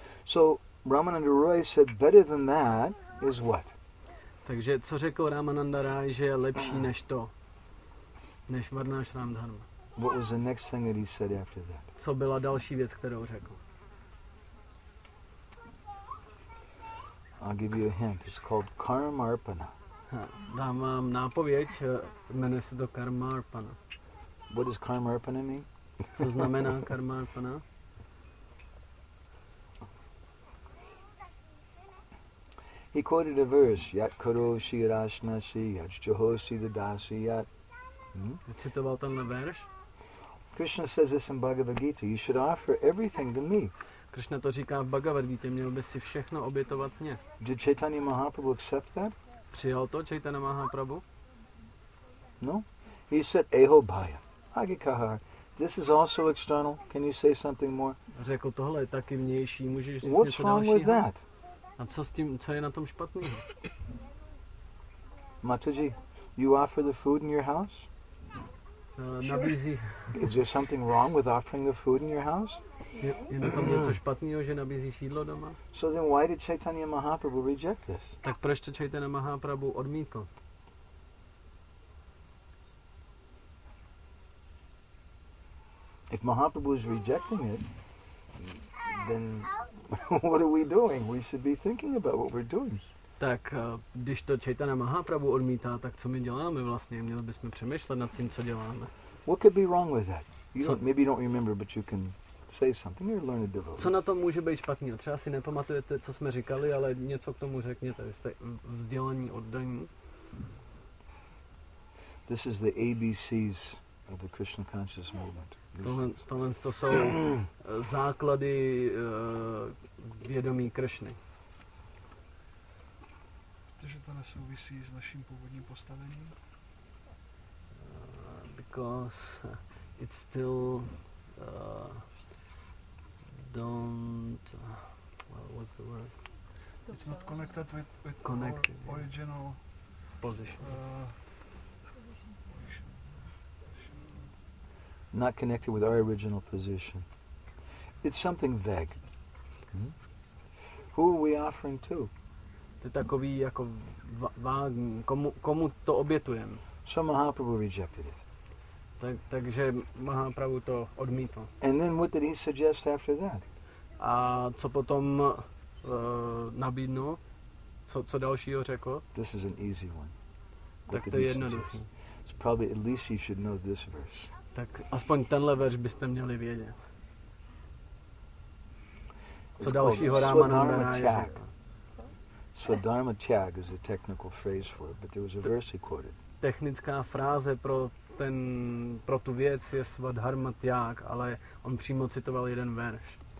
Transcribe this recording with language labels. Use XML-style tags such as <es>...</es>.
<en>So, Ramananda Roy said, better than that is what?</en> <cs>Takže co řekl Ramananda Raj, že je lepší než to, než Varnashram Dharma?</cs> <en>What was the next thing that he said after that?</en> <cs>Co byla další věc, kterou řekl?</cs> <en>I'll give you a hint. It's called Karmarpana.</en> <cs>Dám vám nápověď, jmenuje se to Karmarpana.</cs> <en>What does Karmarpana mean?</en> <cs>Co znamená Karmarpana?</cs> <en>He quoted a verse, yat karo shi rashna shi, yat johosi the dasi yat.</en> <cs>Citoval tenhle verš.</cs> <en>Krishna says this in Bhagavad Gita, you should offer everything to me.</en> <cs>Krishna to říká v Bhagavad Gita, měl bys si všechno obětovat mně.</cs> <en>Did Chaitanya Mahaprabhu accept that?</en> <cs>Přijal to Chaitanya Mahaprabhu?</cs> <en>No. He said, eho bhaya, agi kahar. This is also external, can you say something more?</en> <cs>Řekl, tohle je taky vnější, můžeš říct</cs> <en>What's</en> <cs>něco dalšího?</cs> <en>What's wrong with that?</en> <cs>A co s tím, co je na tom špatného?</cs> <en>Mataji, you offer the food in your house?</en> <cs>Nabízí.</cs> <en>Is there something wrong with offering the food in your house?</en> <cs>Je na tom něco špatného, že nabízíš jídlo doma?</cs> <en>So then why did Chaitanya Mahaprabhu reject this?</en> <cs>Tak proč to Chaitanya Mahaprabhu odmítl?</cs> <en>If Mahaprabhu is rejecting it, then what are we doing? We should be thinking about what we're doing.</en> <cs>Tak, když to Chaitanya Mahaprabhu odmítá, tak co my děláme vlastně? Měli bychom přemýšlet nad tím, co děláme.</cs> <en>What could be wrong with that? You don't, maybe you don't remember, but you can say something. You're a learned devotee.</en> <cs>Co na tom může být špatný? Třeba si nepamatujete, co jsme říkali, ale něco k tomu řekněte. Jste vzdělaní, oddaní.</cs> <en>This is the ABCs of the Krishna Conscious Movement.</en> <cs>Tohle to jsou základy vědomí Krišny. Protože to nesouvisí s naším původním postavením?</cs> <en>Because it still don't... Well, what's the word? It's not connected with connected, our original yeah. position. Not connected with our original position. It's something vague. Who are we offering to?</en> <cs>To je takový jako vágní, komu to obětujem.</cs> <en>So Mahaprabhu rejected it.</en> <cs>Takže Mahaprabhu to odmítl.</cs> <en>And then what did he suggest after that?</en> <cs>A co potom nabídnul? Co dalšího řekl?</cs> <en>This is an easy one.</en> <cs>Tak to je jednoduchý.</cs> <en>It's probably at least you should know this verse.</en> <cs>Tak aspoň tenhle verš byste měli vědět. Co dalšího Rámana Narayana řekl?</cs> <en>Swadharma tyag is a technical phrase for it, but there was a verse he quoted.</en> <cs>Technická fráze pro tu věc je Swadharma tyag, ale on přímo citoval jeden verš.</cs>